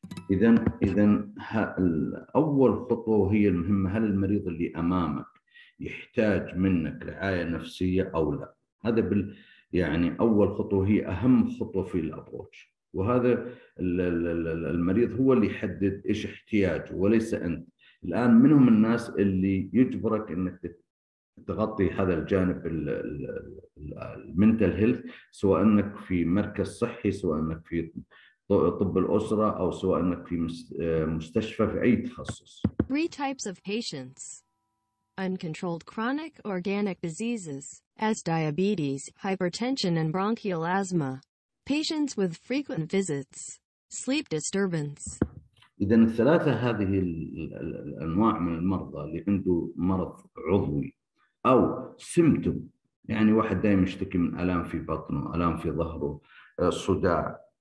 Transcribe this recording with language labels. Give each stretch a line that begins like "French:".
Arabic: إذا أول خطوة هي المهمة، هل المريض اللي أمامك يحتاج منك رعاية نفسية أو لا؟ هذا يعني أول خطوة، هي أهم خطوة في الأبروتش، وهذا المريض هو اللي يحدد إيش احتياجه وليس أنت. الآن منهم الناس اللي يجبرك أنك تغطي هذا الجانب المنتال هيلث، سواء أنك في مركز صحي، سواء أنك في طب الأسرة، أو سواء أنك في مستشفى في أي تخصص.
English: Three types of patients: uncontrolled chronic organic diseases as diabetes, hypertension and bronchial asthma, patients with frequent visits, sleep disturbance.
Arabic: إذا الثلاثة هذه الأنواع من المرضى اللي عنده مرض عضوي أو symptom، يعني واحد دائما يشتكي من آلام في بطنه، آلام في ظهره، صداع،